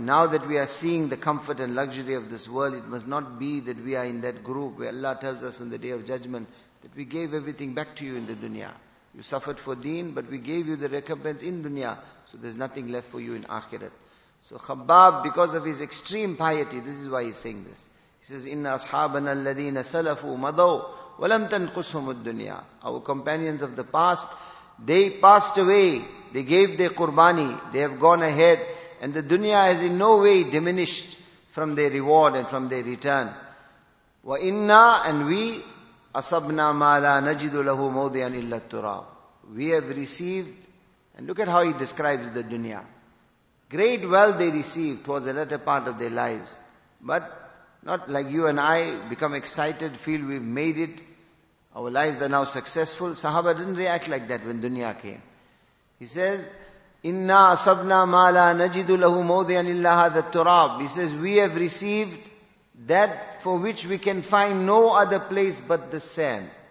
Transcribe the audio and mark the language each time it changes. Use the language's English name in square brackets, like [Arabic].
[English] Now that we are seeing the comfort and luxury of this world, it must not be that we are in that group where Allah tells us on the Day of Judgment that we gave everything back to you in the dunya. You suffered for deen, but we gave you the recompense in dunya, so there's nothing left for you in akhirat. So Khabbab, because of his extreme piety, this is why he's saying this. He says, [Arabic] إِنَّ أَصْحَابَنَا الَّذِينَ سَلَفُوا مَضَوْا وَلَمْ تَنْقُسْهُمُ الدُّنْيَا. [English] Our companions of the past, they passed away, they gave their qurbani, they have gone ahead, and the dunya has in no way diminished from their reward and from their return. [Arabic] وَإِنَّا, [English] and we, [Arabic] أَصَبْنَا مَا لَا نَجِدُ لَهُ مَوْضِيًا إِلَّا التُّرَابُ. [English] We have received, and look at how he describes the dunya. Great wealth they received towards the latter part of their lives. But not like you and I, become excited, feel we've made it, our lives are now successful. Sahaba didn't react like that when dunya came. He says, [Arabic] إِنَّا أَصَبْنَا مَا لَا نَجِدُ لَهُ مَوْضِيًا إِلَّا هَذَا التُّرَابُ. [English] He says, we have received that for which we can find no other place but the sand.